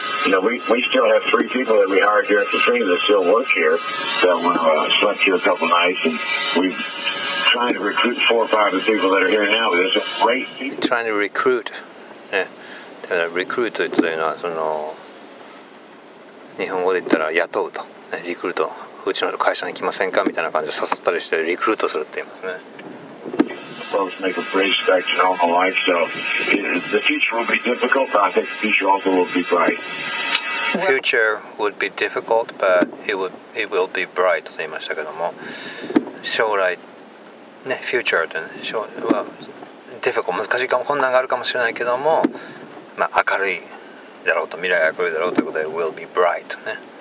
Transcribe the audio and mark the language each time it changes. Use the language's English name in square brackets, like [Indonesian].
[English] We still have three people that we hired here at the training that still work here, that slept here a couple nights, and we're trying to recruit four or five of the people that are here now. There's a great people. Trying to recruit. Yeah. [Japanese] Recruit というのはその日本語で言ったら雇うと、ね、リクルート、うちの会社に来ませんかみたいな感じで誘ったりしてリクルートするって言いますね。 [English] Folks make a bridge back to normal life, so the future will be difficult, but I think the future also will be bright. Future would be difficult, but it will be bright, [Japanese] と言いましたけども、将来、ね、future は、difficult、難しいかも、困難があるかもしれないけども、まあ、明るいだろうと、未来は明るいだろうということで、 [English] will be bright、 [Japanese] ね。